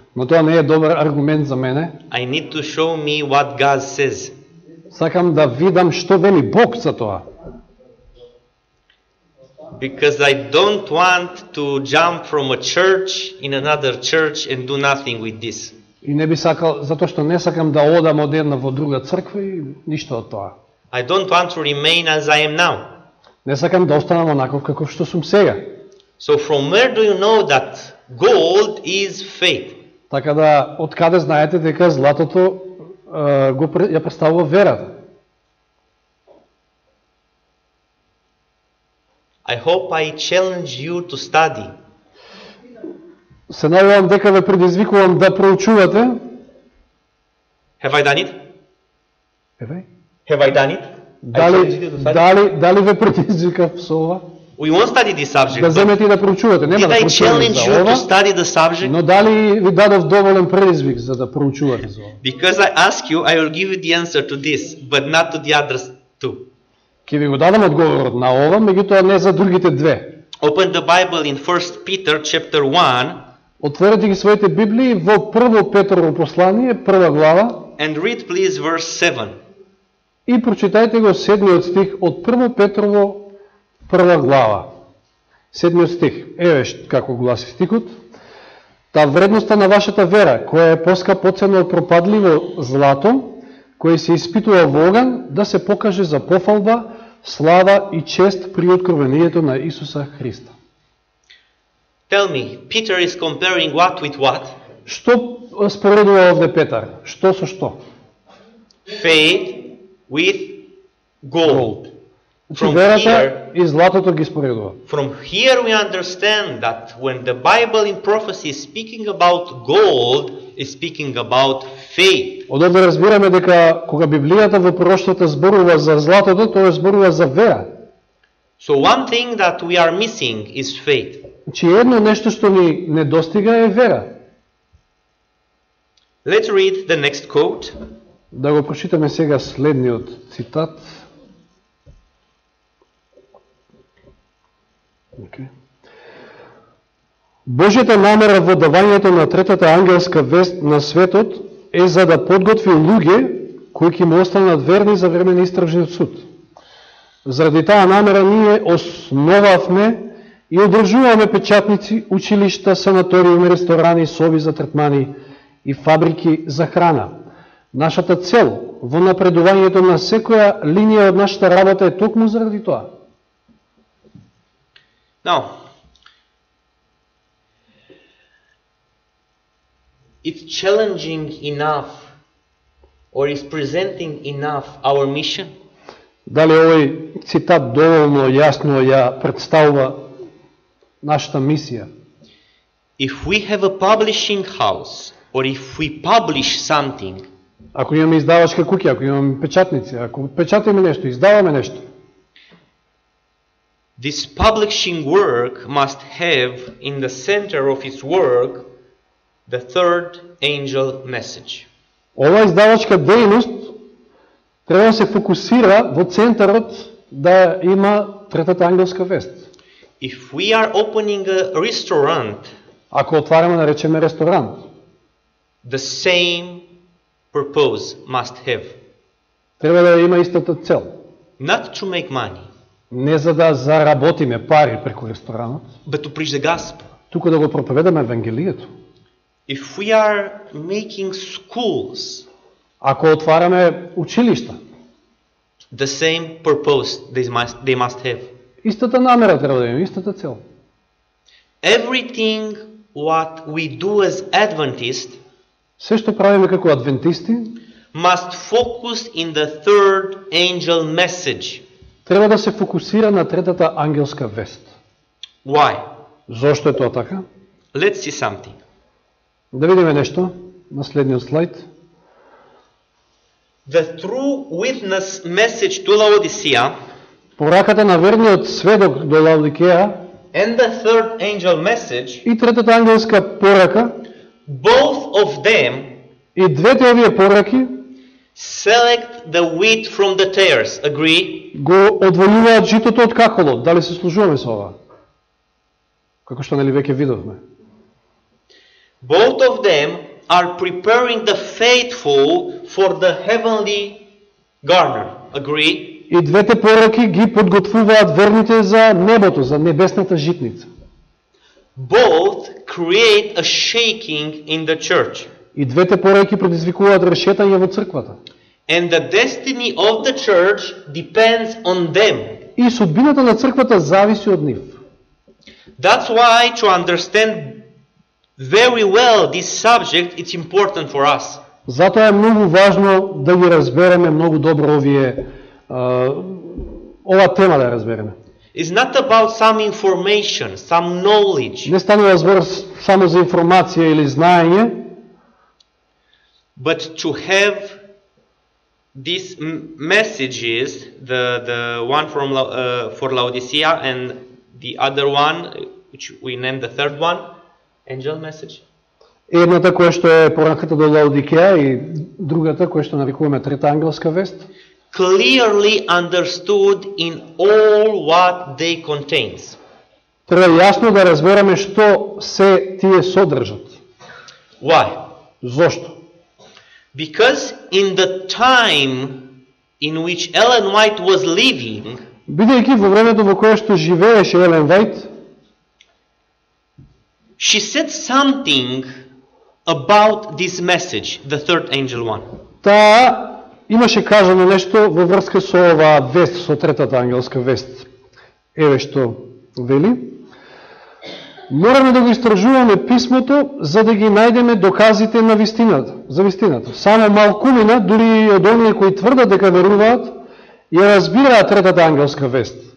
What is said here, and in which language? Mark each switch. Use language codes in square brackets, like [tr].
[mk] Но тоа не е добар аргумент за мене. [en] I need to show me what God says. [mk] Сакам да видам што вели Бог за тоа. [en] Because I don't want to jump from a church in another church and do nothing with this. [mk] И не би сакал, затоа што не сакам да одам од една во друга црква и ништо од тоа. [en] I don't want to remain as I am now. [mk] Не сакам да останам онаков каков што сум сега. [en] So from where do you know that gold is faith? [mk] Така да, од каде знаете дека златото го ја представува верата? [en] I hope I challenge you to study. [mk] Се надевам дека ве предизвикувам да проучувате. [en] Have I done it? Have I? Have I done it? [mk] Дали ве предизвикав со ова? [en] We won't study this subject. [mk] Да земете и да проучувате. Нема да проучувате за ова. Но дали ви дадов доволен предизвик за да проучувате за ова? [en] Because I ask you, I will give you the answer to this, but not to the others two. [mk] Ке ви го дадам одговорот на ова, меѓутоа не за другите две. [en] Open the Bible in 1 Peter chapter 1. [mk] Отворете ги своите Библии во 1 Петрово послание, прва глава. [en] And read please verse 7. [mk] И прочитајте го 7-миот стих од 1 Петрово прва глава. 7-миот стих. Еве како гласи стихот. Та вредноста на вашата вера, која е поскапоцена од пропадливо злато, кое се испитува во оган, да се покаже за пофалба, слава и чест при откровението на Исуса Христа. [en] Tell me, Peter is comparing what with what? [mk] Што споредува овде Петар? Што со што? [en] Faith with gold. From [mk] верата и златото ги споредува. [en] From here we understand that when the Bible in prophecy is speaking about gold, is speaking about faith. [mk] Од овде разбираме дека кога Библијата во пророштвата зборува за златото, тоа зборува за вера. [en] So one thing that we are missing is faith. [mk] Значи едно нешто што ни недостига е вера. [en] Let's read the next quote. [mk] Да го прочитаме сега следниот цитат. [en] Okay. [mk] Божјата намера во давањето на третата ангелска вест на светот е за да подготви луѓе кои ќе му останат верни за време на истражниот суд. Заради таа намера ние основавме и одржуваме печатници, училишта, санаториуми, ресторани, соби за третмани и фабрики за храна. Нашата цел во напредувањето на секоја линија од нашата работа е токму заради тоа. [en] Now, it's challenging enough or is presenting enough our mission? [mk] Дали овој цитат доволно јасно ја представува нашата мисија? [en] If we have a publishing house or if we publish something, [mk] ако имаме издавачка куќа, ако имаме печатници, ако печатаме нешто, издаваме нешто. [en] This publishing work must have in the center of its work the third angel message. [mk] Ова издавачка дејност треба се фокусира во центарот да има третата ангелска вест. [en] If we are opening a restaurant, [mk] ако отвараме, наречеме ресторант, [en] the same purpose must have. [mk] Треба да има истата цел. [en] Not to make money. [mk] Не за да заработиме пари преку ресторанот. [en] But to preach the gospel. [mk] Туку да го проповедаме евангелието. [en] If we are making schools, [mk] ако отвараме училишта, [en] the same purpose they must have. [mk] Истата намера треба да има, истата цел. [en] Everything what we do as Adventist, [mk] се што правиме како адвентисти, [en] must focus in the third angel message. [mk] Треба да се фокусира на третата ангелска вест. [en] Why? [mk] Зошто е тоа така? [en] Let's see something. [mk] Да видиме нешто на следниот слайд. [en] The true witness message to Laodicea, [mk] пораката на верниот сведок до Лаодикеа, [en] and the third angel message, [mk] и третата ангелска порака, [en] both of them, [mk] и двете овие пораки, [en] select the wheat from the tares, agree? [mk] Го одвојуваат житото од кахолот. Дали се служуваме со ова? Како што нели веќе видовме? [en] Both of them are preparing the faithful for the heavenly garner. Agree? [mk] И двете пораки ги подготвуваат верните за небото, за небесната житница. [en] Both create a shaking in the church. [mk] И двете пораки предизвикуваат решетање во црквата. [en] And the destiny of the church depends on them. [mk] И судбината на црквата зависи од нив. [en] That's why to understand very well this subject, it's important for us. [mk] Затоа е многу важно да ги разбереме многу добро овие ова тема да разбереме. [en] It's not about some information, some knowledge. [mk] Не станува збор само за информација или знаење, [en] but to have these messages, the one from for Laodicea and the other one which we named the third one, angel message. [mk] Едната која што е пораката до Лаодикеа и другата која што нарекуваме трета ангелска вест, [en] clearly understood in all what they contains. [mk] Треба јасно да разбереме што се тие содржат. [en] Why? [mk] Зошто? [en] Because in the time in which Ellen White was living, [mk] бидејќи во времето во кое што живееше Елен Вајт, [en] she said something about this message, the third angel one. [mk] Та имаше кажано нешто во врска со ова вест, со третата ангелска вест. Еве што вели. Мораме да го истражуваме писмото за да ги најдеме доказите на вистината, за вистината. Само малкумина, дури и од оние кои тврдат дека веруваат, ја разбираат третата ангелска вест.